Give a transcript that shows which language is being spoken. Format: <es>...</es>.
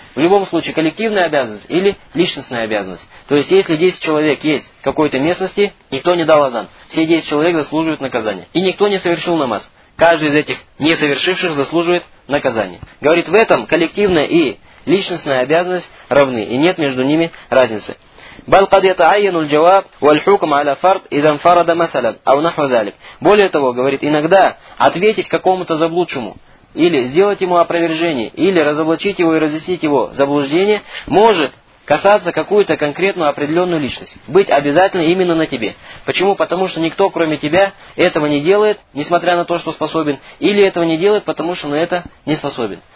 <ru>В любом случае, коллективная обязанность или личностная обязанность. То есть, если 10 человек есть в какой-то местности, никто не дал азан. Все 10 человек заслуживают наказания. И никто не совершил намаз. Каждый из этих не совершивших заслуживает наказания. Говорит, в этом коллективная и личностная обязанность равны. И нет между ними разницы.</ru> <ar>بل قد يتعين الجواب والحكم على فرد اذا انفرد مثلا او نحو ذلك.</ar> <ru>Более того, говорит, иногда ответить какому-то заблудшему или сделать ему опровержение, или разоблачить его и разъяснить его заблуждение, может касаться какую-то конкретную определенную личность. Быть обязательно именно на тебе. Почему? Потому что никто, кроме тебя, этого не делает, несмотря на то, что способен, или этого не делает, потому что на это не способен.</ru>